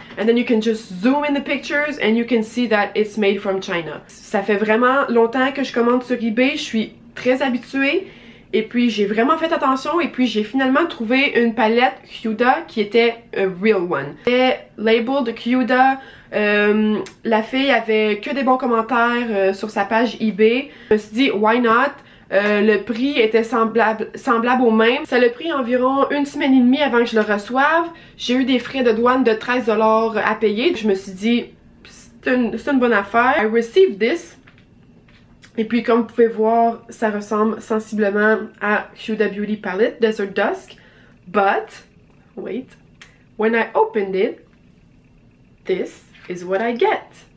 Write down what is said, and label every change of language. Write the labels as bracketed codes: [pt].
[en] And then you can just zoom in the pictures and you can see that it's made from China. [fr] Ça fait vraiment longtemps que je commande sur eBay, je suis très habituée. Et puis j'ai vraiment fait attention et puis j'ai finalement trouvé une palette Huda qui était [en] a real one. [fr] C'était labeled Huda, la fille avait que des bons commentaires sur sa page eBay. Je me suis dit [en] why not, [fr] le prix était semblable au même. Ça l'a pris environ une semaine et demie avant que je le reçoive. J'ai eu des frais de douane de 13$ à payer. Je me suis dit c'est une bonne affaire. [en] I received this. [fr] Et puis comme vous pouvez voir, ça ressemble sensiblement à Huda Beauty Palette Desert Dusk. [en] But, wait, when I opened it, this is what I get.